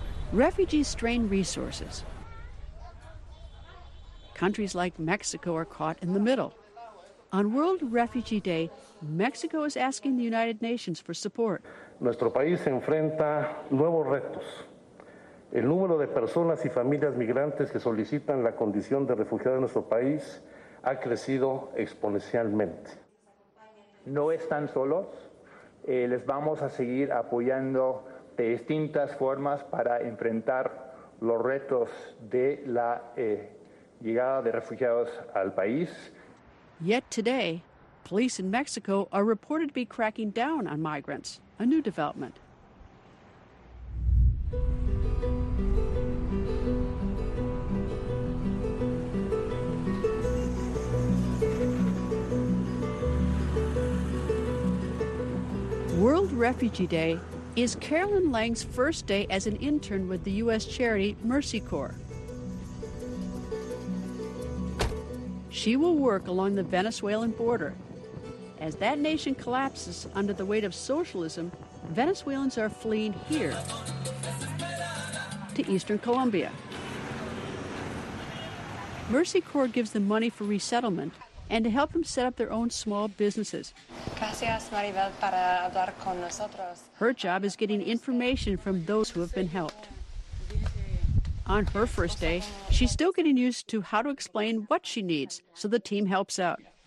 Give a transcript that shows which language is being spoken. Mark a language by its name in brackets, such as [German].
[English] Refugees strain resources. Countries like Mexico are caught in the middle. On World Refugee Day, Mexico is asking the United Nations for support. [Spanish] Nuestro país enfrenta nuevos retos. El número de personas y familias migrantes que solicitan la condición de refugiado en nuestro país ha crecido exponencialmente. No están solos. Les vamos a seguir apoyando de distintas formas para enfrentar los retos de la llegada de refugiados al país. [English] Yet today, police in Mexico are reported to be cracking down on migrants, a new development. World Refugee Day is Carolyn Lang's first day as an intern with the U.S. charity Mercy Corps. She will work along the Venezuelan border. As that nation collapses under the weight of socialism, Venezuelans are fleeing here to eastern Colombia. Mercy Corps gives them money for resettlement and to help them set up their own small businesses. [Spanish] Gracias, Maribel, para hablar con nosotros. [English] Her job is getting information from those who have been helped. On her first day, she's still getting used to how to explain what she needs, so the team helps out.